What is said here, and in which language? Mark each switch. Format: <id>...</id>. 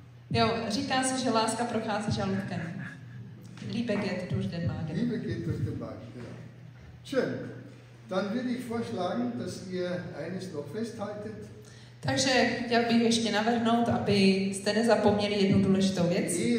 <cs>Jo, říká se, že láska prochází žaludkem.</cs> <de>Liebe geht durch den Magen. Liebe geht durch den Magen, ja. Schön. Dann würde ich vorschlagen, dass ihr eines noch festhaltet.</de> <cs>Takže chtěl bych ještě navrhnout, abyste nezapomněli jednu důležitou věc.</cs>